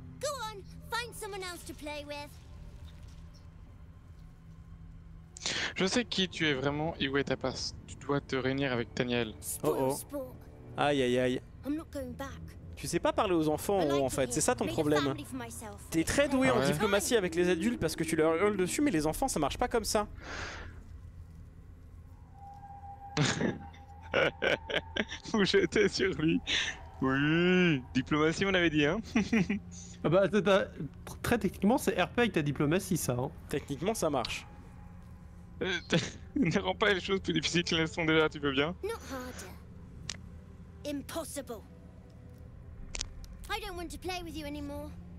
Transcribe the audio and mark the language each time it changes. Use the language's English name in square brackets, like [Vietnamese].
[English] Go on, find someone else to play with. [French] Je sais qui tu es vraiment et où est ta place. Tu dois te réunir avec Daniel. [English] Oh oh. [French] Aïe aïe aïe. [English] I'm not going back. [French] Tu sais pas parler aux enfants, en fait, c'est ça ton problème. T'es très doué en diplomatie avec les adultes parce que tu leur hurles dessus, mais les enfants, ça marche pas comme ça. Vous jetez sur lui. Oui, diplomatie, on avait dit, hein. Ah bah, très techniquement, c'est RP avec ta diplomatie, ça. Hein. Techniquement, ça marche. Ne rends pas les choses plus difficiles qu'elles sont déjà, tu veux bien. [English] Not harder. Impossible. I don't want to play with you anymore.